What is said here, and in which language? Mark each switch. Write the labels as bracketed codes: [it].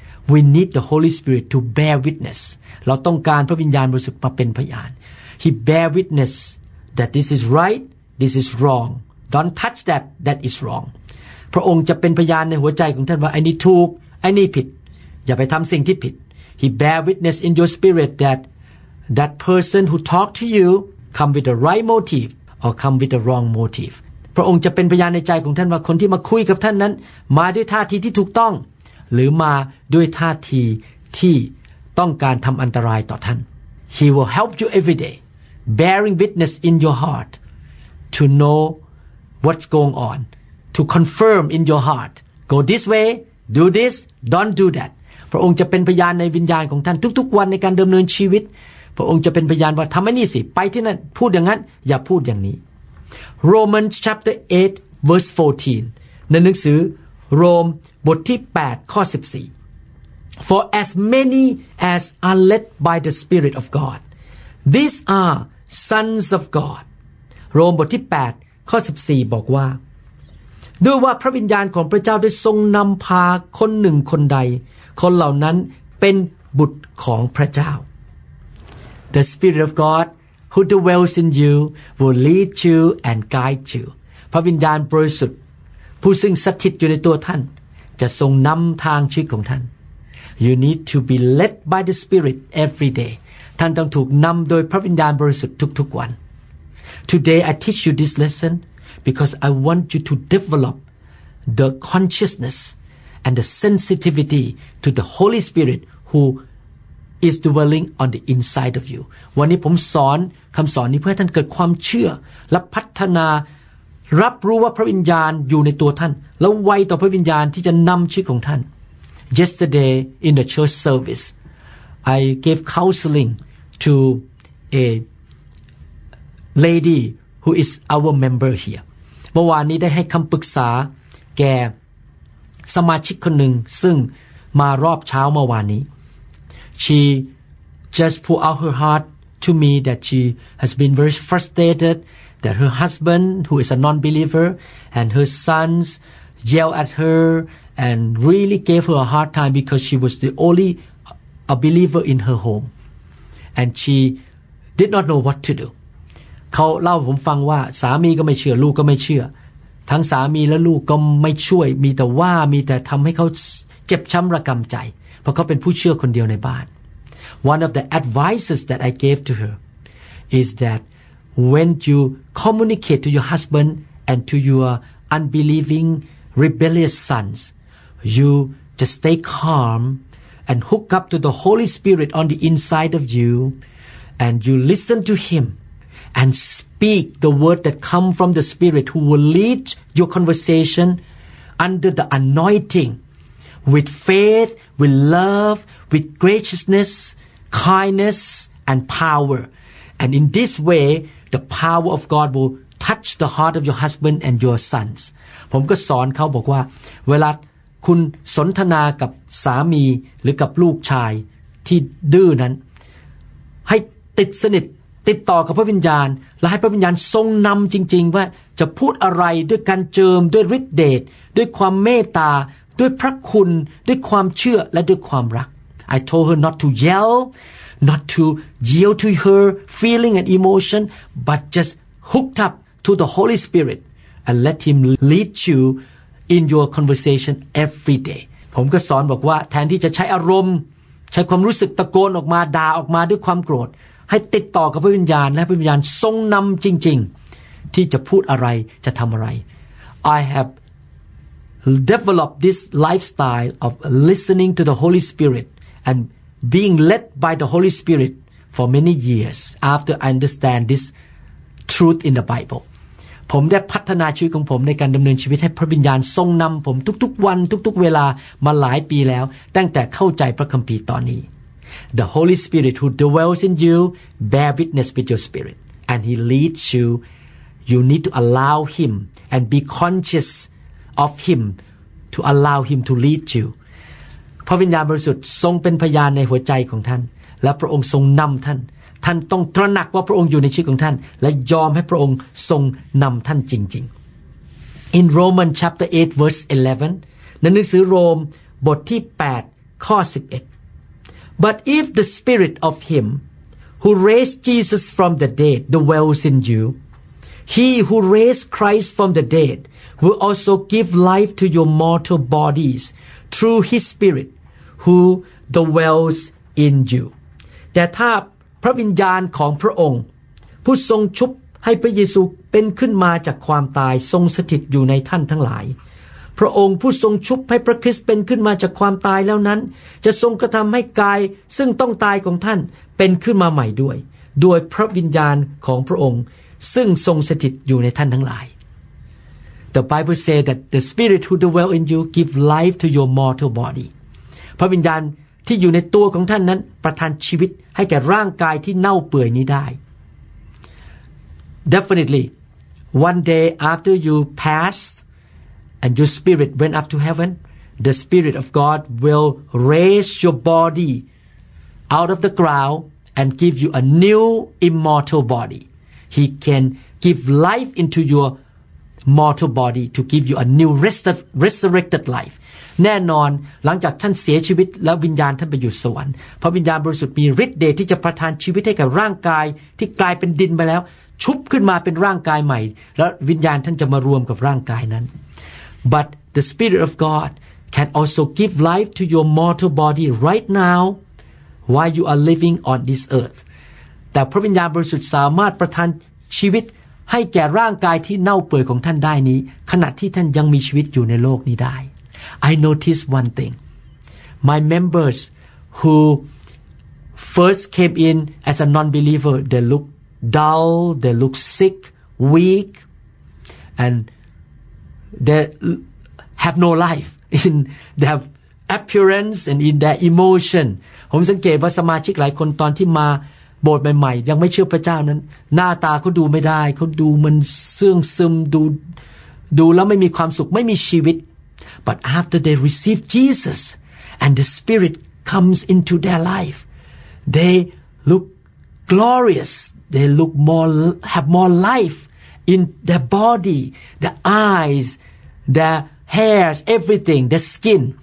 [en] We need the Holy Spirit to bear witness [th] เราต้องการพระวิญญาณบริสุทธิ์มาเป็นพยาน [en] He bear witness that this is right, this is wrong. Don't touch that, that is wrong. [th] พระองค์จะเป็นพยานในหัวใจของท่านว่าไอ้นี่ถูกไอ้นี่ผิดอย่าไปทำสิ่งที่ผิด [en] He bear witness in your spirit that person who talked to you come with the right motive or come with the wrong motive. [th] พระองค์จะเป็นพยานในใจของท่านว่าคนที่มาคุยกับท่านนั้นมาด้วยท่าทีที่ถูกต้องหรือมาด้วยท่าทีที่ต้องการทำอันตรายต่อท่าน [en] He will help you every day, bearing witness in your heart to know what's going on, to confirm in your heart. Go this way, do this, don't do that. [th] พระองค์จะเป็นพยานในวิญญาณของท่านทุกๆวันในการดำเนินชีวิตพระองค์จะเป็นพยานว่าทำไอ้นี่สิไปที่นั่นพูดอย่างนั้นอย่าพูดอย่างนี้ [en] Romans chapter 8 verse 14 [th] ในหนังสือโรมบทที่8ข้อ14 [en] For as many as are led by the Spirit of God, these are sons of God. [th] โรมบทที่8ข้อ14บอกว่าด้วยว่าพระวิญญาณของพระเจ้าได้ทรงนำพาคนหนึ่งคนใดคนเหล่านั้นเป็นบุตรของพระเจ้า [en] The Spirit of God who dwells in you will lead you and guide you. [th] พระวิญญาณบริสุทธิ์ผู้ซึ่งสถิตอยู่ในตัวท่านจะทรงนำทางชีวิตของท่าน [en] You need to be led by the Spirit every day. [th] ท่านต้องถูกนำโดยพระวิญญาณบริสุทธิ์ทุกๆวัน [en] Today I teach you this lesson because I want you to develop the consciousness and the sensitivity to the Holy Spirit who is dwelling on the inside of you. [th] วันนี้ผมสอนคำสอนนี้เพื่อท่านเกิดความเชื่อและพัฒนารับรู้ว่าพระวิญญาณอยู่ในตัวท่านแล้วไวต่อพระวิญญาณที่จะนำชีวิตของท่าน [en] Yesterday in the church service, I gave counseling to a lady who is our member here. [th] เมื่อวานนี้ได้ให้คำปรึกษาแก่สมาชิกคนหนึ่งซึ่งมารอบเช้าเมื่อวานนี้ [en] She just put out her heart to me that she has been very frustrated that her husband, who is a non-believer, and her sons yell at her. And really gave her a hard time because she was the only a believer in her home, and she did not know what to do. [th] เล่าผมฟังว่าสามีก็ไม่เชื่อลูกก็ไม่เชื่อทั้งสามีและลูกก็ไม่ช่วยมีแต่ว่ามีแต่ทำให้เขาเจ็บช้ำระกำใจเพราะเขาเป็นผู้เชื่อคนเดียวในบ้าน [en] One of the advices that I gave to her is that when you communicate to your husband and to your unbelieving rebellious sonsYou just stay calm and hook up to the Holy Spirit on the inside of you and you listen to Him and speak the word that come from the Spirit who will lead your conversation under the anointing with faith, with love, with graciousness, kindness, and power. And in this way, the power of God will touch the heart of your husband and your sons. [th] ผมก็สอนเขาบอกว่าเวลาคุณสนทนากับสามีหรือกับลูกชายที่ดื้อนั้นให้ติดสนิทติดต่อกับพระวิญญาณและให้พระวิญญาณทรงนำจริงๆว่าจะพูดอะไรด้วยการเจิมด้วยฤทธิ์เดชด้วยความเมตตาด้วยพระคุณด้วยความเชื่อและด้วยความรัก [en] I told her not to yell not to yield to her feeling and emotion but just hooked up to the Holy Spirit and let him lead youIn your conversation every day, [th] ผมก็สอนบอกว่าแทนที่จะใช้อารมณ์ใช้ความรู้สึกตะโกนออกมาด่าออกมาด้วยความโกรธให้ติดต่อกับพระวิญญาณและพระวิญญาณทรงนำจริงๆที่จะพูดอะไรจะทำอะไร [en] I have develop this lifestyle of listening to the Holy Spirit and being led by the Holy Spirit for many years after I understand this truth in the Bible. [th] ผมได้พัฒนาชีวิตของผมในการดำเนินชีวิตให้พระวิญญาณทรงนำผมทุกๆวันทุกๆเวลามาหลายปีแล้วตั้งแต่เข้าใจพระคัมภีร์ตอนนี้ [en] The Holy Spirit who dwells in you bear witness with your spirit and he leads you you need to allow him and be conscious of him to allow him to lead you [th] พระวิญญาณบริสุทธิ์ทรงเป็นพยานในหัวใจของท่านและพระองค์ทรงนำท่านท่านต้องตระหนักว่าพระองค์อยู่ในชีวิตของท่านและยอมให้พระองค์ทรงนำท่านจริง [en] ๆ In Romans chapter 8 verse 11 [th] ในหนังสือโรมบทที่8ข้อ11 [en] But if the spirit of him who raised Jesus from the dead dwells in you he who raised Christ from the dead will also give life to your mortal bodies through his spirit who dwells in you [th] แต่ถ้าพระวิญญาณของพระองค์ผู้ทรงชุบให้พระเยซูเป็นขึ้นมาจากความตายทรงสถิตอยู่ในท่านทั้งหลายพระองค์ผู้ทรงชุบให้พระคริสต์เป็นขึ้นมาจากความตายแล้วนั้นจะทรงกระทำให้กายซึ่งต้องตายของท่านเป็นขึ้นมาใหม่ด้วยพระวิญญาณของพระองค์ซึ่งทรงสถิตอยู่ในท่านทั้งหลาย [en] The Bible says that the Spirit who dwells in you give life to your mortal body [th] พระวิญญาณที่อยู่ในตัวของท่านนั้นประทานชีวิตให้แก่ร่างกายที่เน่าเปื่อยนี้ได้ [en] Definitely one day after you pass and your spirit went up to heaven the spirit of God will raise your body out of the ground and give you a new immortal body he can give life into your mortal body to give you a new resurrected life [th] แน่นอนหลังจากท่านเสียชีวิตแล้ววิญญาณท่านไปอยู่สวรรค์พระวิญญาณบริสุทธิ์มีฤทธิ์เดชที่จะประทานชีวิตให้กับร่างกายที่กลายเป็นดินไปแล้วชุบขึ้นมาเป็นร่างกายใหม่แล้ววิญญาณท่านจะมารวมกับร่างกายนั้น [en] But the spirit of God can also give life to your mortal body right now while you are living on this earth [th] แต่พระวิญญาณบริสุทธิ์สามารถประทานชีวิตให้แก่ร่างกายที่เน่าเปื่อยของท่านได้นี้ขณะที่ท่านยังมีชีวิตอยู่ในโลกนี้ได้ [en] I noticed one thing. My members who first came in as a non-believer, they look dull, they look sick, weak, and they have no life in their appearance and in their emotion. [th] ผมสังเกตว่าสมาชิกหลายคนตอนที่มาโบสถ์ใหม่ๆยังไม่เชื่อพระเจ้านั้นหน้าตาเขาดูไม่ได้เขาดูมันเสื่องซึมดูแล้วไม่มีความสุขไม่มีชีวิต [en] But after they receive Jesus and the Spirit comes into their life, they look glorious. They look more, have more life in their body, their eyes, their hairs, everything, their skin.